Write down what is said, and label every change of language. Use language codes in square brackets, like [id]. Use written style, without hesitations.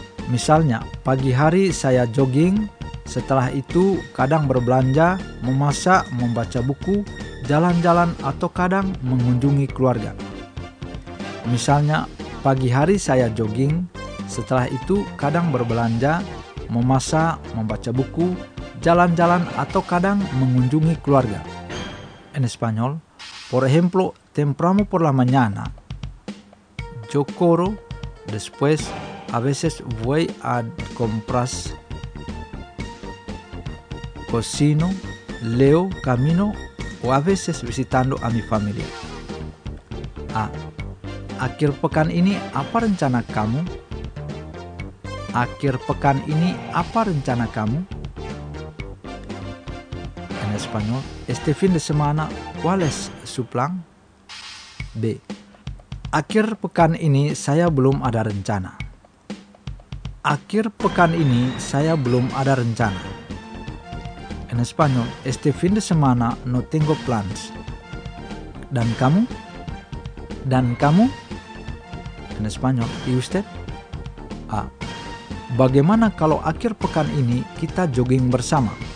[id] Misalnya, pagi hari saya jogging, setelah itu kadang berbelanja, memasak, membaca buku, jalan-jalan atau kadang mengunjungi keluarga. Misalnya, pagi hari saya jogging, setelah itu kadang berbelanja, memasak, membaca buku, jalan-jalan atau kadang mengunjungi keluarga. [es] En español, por ejemplo, temprano por la mañana. Yo corro, después a veces voy a compras, cocino, leo, camino o a veces visitando a mi familia. A. [id] Akhir pekan ini apa rencana kamu? Akhir pekan ini apa rencana kamu? [es] En español, este fin de semana, ¿cuál es su plan? B. [id] Akhir pekan ini saya belum ada rencana. Akhir pekan ini saya belum ada rencana. [es] En español, este fin de semana no tengo plans. [id] Dan kamu? Dan kamu? [es] En español, ¿y usted? [id] A. Bagaimana kalau akhir pekan ini kita jogging bersama?